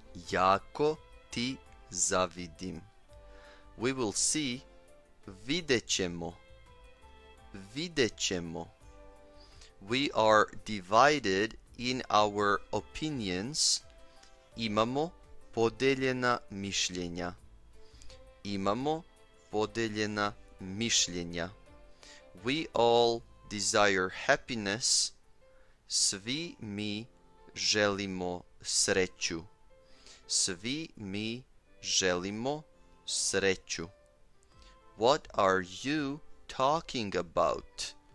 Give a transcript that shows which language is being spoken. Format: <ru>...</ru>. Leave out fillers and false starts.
<sr>Jako ti zavidim.</sr> <en>We will see.</en> <sr>Videćemo. Videćemo.</sr> <en>We are divided in our opinions.</en> <sr>Imamo podeljena mišljenja. Imamo podeljena mišljenja.</sr> <en>We all desire happiness.</en> <sr>Svi mi želimo sreću. Svi mi želimo sreću.</sr> <en>What are you talking about?</en>